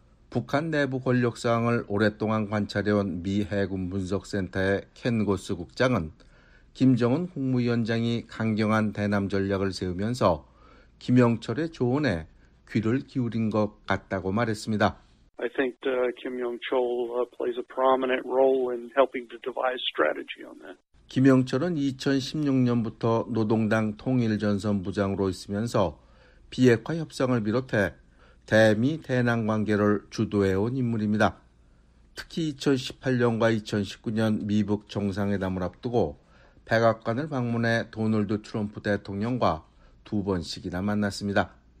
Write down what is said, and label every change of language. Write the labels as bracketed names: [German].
[Korean] 북한 내부 권력 상황을 오랫동안 관찰해온 미 해군 분석센터의 켄 고스 국장은 김정은 국무위원장이 강경한 대남 전략을 세우면서 김영철의 조언에 귀를 기울인 것 같다고 말했습니다. [English] I think Kim Young-chol plays a prominent role in helping to devise strategy on that. [Korean] 김영철은 2016년부터 노동당 통일전선 부장으로 있으면서 비핵화 협상을 비롯해 대미 대남 관계를 주도해온 인물입니다. 특히 2018년과 2019년 미북 정상회담을 앞두고 백악관을 방문해 도널드 트럼프 대통령과 두 번씩이나 만났습니다.